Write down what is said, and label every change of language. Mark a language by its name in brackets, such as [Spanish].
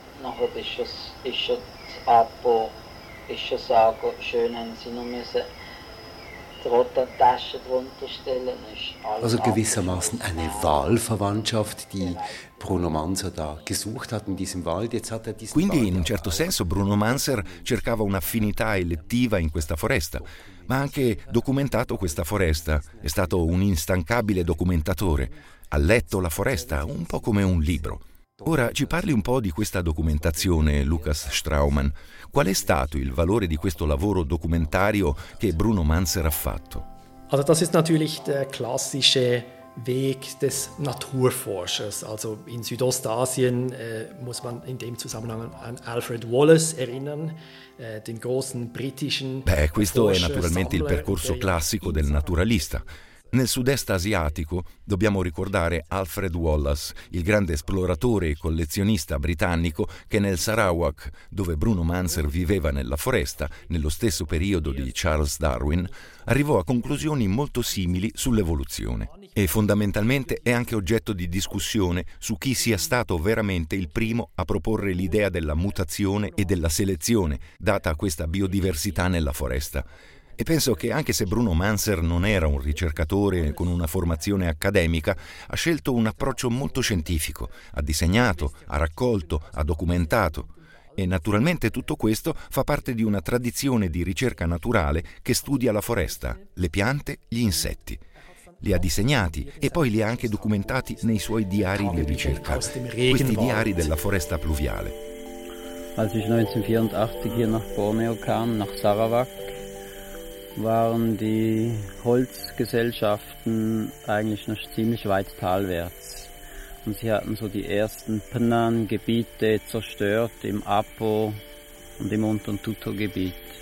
[German] Nachher ist schon das Apo, ist schon Sago. Schön haben sie noch müssen die roten Taschen drunter stellen. Also gewissermaßen eine Wahlverwandtschaft, die Bruno Manzer da gesucht hat in diesem Wald. Jetzt hat er diesen [Italian] Quindi in un certo senso Bruno Manzer cercava un'affinità elettiva in questa foresta, ma ha anche documentato questa foresta. È stato un instancabile documentatore. Ha letto la foresta un po' come un libro. Ora ci parli un po' di questa documentazione, Lukas Straumann. Qual è stato il valore di questo lavoro documentario che Bruno Manzer ha fatto? [German] Also das ist natürlich der klassische Weg des Naturforschers. Also in Südostasien muss man in dem Zusammenhang an Alfred Wallace erinnern, den großen britischen Forscher. [Italian] Beh, questo è naturalmente il percorso classico del naturalista. Nel sud-est asiatico dobbiamo ricordare Alfred Wallace, il grande esploratore e collezionista britannico che nel Sarawak, dove Bruno Manzer viveva nella foresta, nello stesso periodo di Charles Darwin, arrivò a conclusioni molto simili sull'evoluzione. E fondamentalmente è anche oggetto di discussione su chi sia stato veramente il primo a proporre l'idea della mutazione e della selezione data a questa biodiversità nella foresta. E penso che anche se Bruno Manzer non era un ricercatore con una formazione accademica, ha scelto un approccio molto scientifico, ha disegnato, ha raccolto, ha documentato. E naturalmente tutto questo fa parte di una tradizione di ricerca naturale che studia la foresta, le piante, gli insetti. Li ha disegnati e poi li ha anche documentati nei suoi diari di ricerca, questi diari della foresta pluviale. [German] Als ich 1984 hier nach Borneo kam, nach Sarawak, waren die Holzgesellschaften eigentlich noch ziemlich weit talwärts. Und sie hatten so die ersten Pnan-Gebiete zerstört im Apo und im Unteren Tuto-Gebiet.